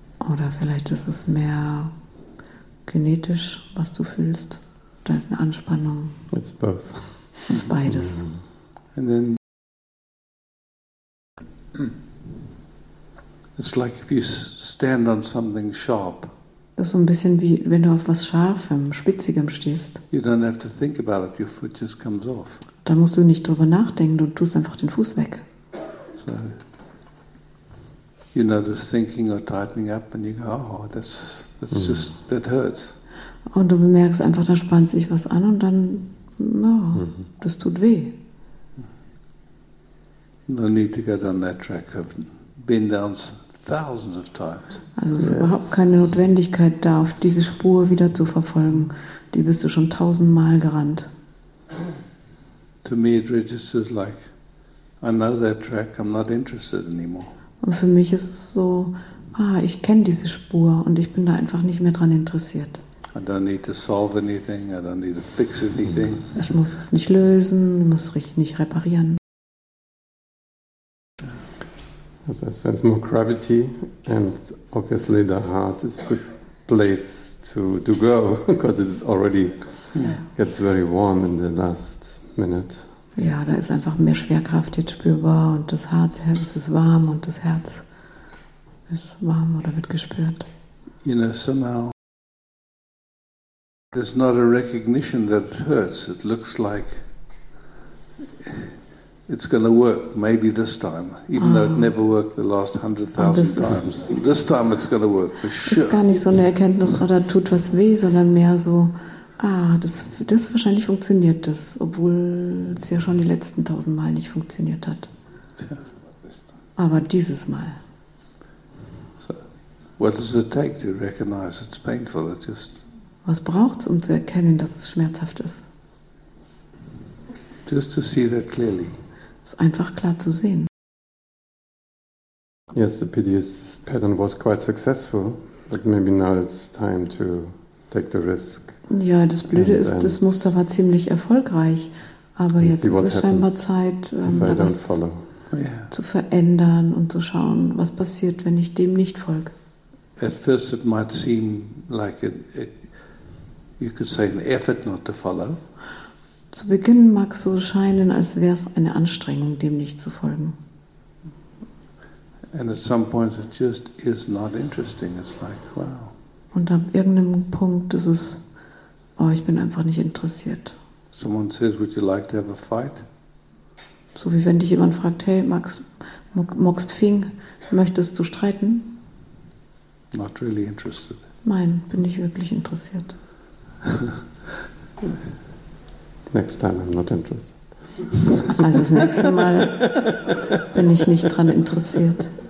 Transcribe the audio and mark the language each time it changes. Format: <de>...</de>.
<de>Oder vielleicht ist es mehr kinetisch, was du fühlst. Da ist eine Anspannung.</de> <en>It's both. It's</en> <de>beides.</de> <en>And then it's like if you stand on something sharp.</en> <de>Das ist so ein bisschen wie wenn du auf was Scharfem, Spitzigem stehst.</de> <en>You don't have to think about it, your foot just comes off.</en> <de>Da musst du nicht drüber nachdenken, du tust einfach den Fuß weg.</de> <en>So, you know, this thinking or tightening up, and you go, oh, that's just that hurts.</en> <de>Und du bemerkst einfach, da spannt sich was an, und dann, das tut weh.</de> <en>No need to go down that track. I've been down thousands of times.</en> <de>Also es ist überhaupt keine Notwendigkeit, da auf diese Spur wieder zu verfolgen. Die bist du schon tausendmal gerannt.</de> <en>To me, it registers like. I know that track, I'm not interested anymore.</en> <de>Und für mich ist es so, ah, ich kenne diese Spur und ich bin da einfach nicht mehr dran interessiert.</de> <en>I don't need to solve anything, I don't need to fix anything.</en> <de>Ich muss es nicht lösen, muss es nicht reparieren.</de> <en>So I sense more gravity and obviously the heart is a good place to go because it's already gets very warm in the last minute.</en> <de>Ja, da ist einfach mehr Schwerkraft jetzt spürbar und das Herz ist warm und das Herz ist warm oder wird gespürt.</de> <en>You know, somehow there's not a recognition that it hurts. It looks like it's going to work, maybe this time, even though it never worked the last 100,000 times. This time it's going to work, for sure.</en> <de>Ist gar nicht so eine Erkenntnis, oder tut was weh, sondern mehr so, ah, das wahrscheinlich funktioniert das, obwohl es ja schon die letzten 1000 Mal nicht funktioniert hat. Aber dieses Mal.</de> <en>So, what does it take to recognize it's painful? It's just.</en> <de>Was braucht's, um zu erkennen, dass es schmerzhaft ist?</de> <en>Just to see that clearly.</en> <de>Es einfach klar zu sehen.</de> <en>Yes, the PDS pattern was quite successful, but maybe now it's time to take the risk.</en> <de>Ja, das Blöde ist, das Muster war ziemlich erfolgreich, aber jetzt ist es scheinbar Zeit, das zu verändern und zu schauen, was passiert, wenn ich dem nicht folge.</de> <en>At first it might seem like you could say an effort not to follow.</en> <de>Zu Beginn mag es so scheinen, als wäre es eine Anstrengung, dem nicht zu folgen.</de> <en>And at some point it just is not interesting. It's like, wow.</en> <de>Und ab irgendeinem Punkt ist es, oh, ich bin einfach nicht interessiert.</de> <en>Someone says, would you like to have a fight?</en> <de>So wie wenn dich jemand fragt, hey, magst Fing, möchtest du streiten?</de> <en>Not really interested.</en> <de>Nein, bin nicht wirklich interessiert.</de> <en>Next time I'm not interested.</en> <de>Also das nächste Mal bin ich nicht dran interessiert.</de>